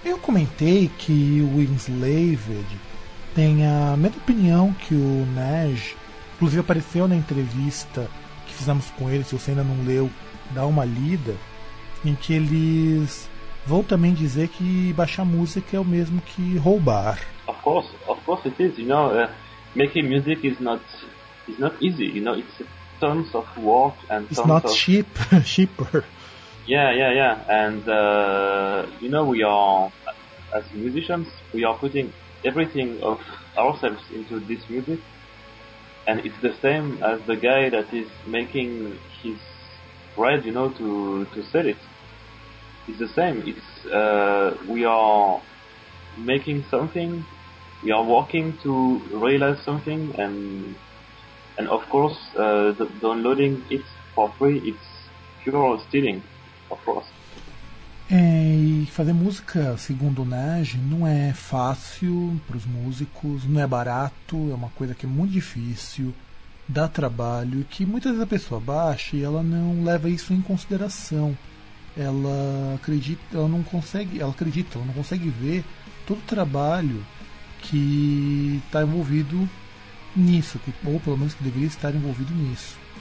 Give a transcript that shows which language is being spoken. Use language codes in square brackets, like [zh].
[pt] Eu comentei que o Enslaved tem a mesma opinião que o Nej, inclusive apareceu na entrevista que fizemos com ele, se você ainda não leu, dá uma lida, em que eles vão também dizer que baixar música é o mesmo que roubar. [en] Of course it is, you know, making music is not easy, you know, it's tons of work and it's not cheap, cheaper. Yeah, and you know, we are, as musicians, we are putting everything of ourselves into this music, and it's the same as the guy that is making his bread, you know, to sell it. It's the same, it's we are making something, we are working to realize something, and of course, downloading it for free, it's pure stealing. [pt] E fazer música, segundo o Nej, não é fácil para os músicos, não é barato, é uma coisa que é muito difícil, dá trabalho, que muitas vezes a pessoa baixa e ela não leva isso em consideração. Ela não consegue ver todo o trabalho que está envolvido nisso, ou pelo menos que deveria estar envolvido nisso.